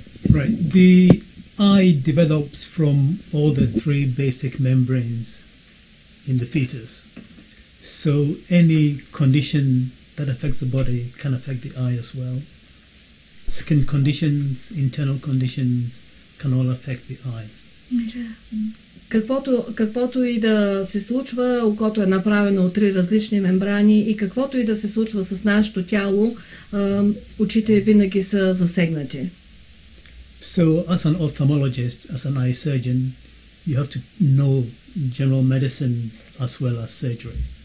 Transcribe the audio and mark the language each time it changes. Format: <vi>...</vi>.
<en>Right. The eye develops from all the three basic membranes in the fetus. So any condition that affects the body can affect the eye as well. Skin conditions, internal conditions can all affect the eye.</en> <bg>Каквото и да се случва, окото е направено от три различни мембрани и каквото и да се случва с нашето тяло, очите винаги са засегнати.</bg> <en>So as an ophthalmologist, as an eye surgeon, you have to know general medicine as well as surgery.</en>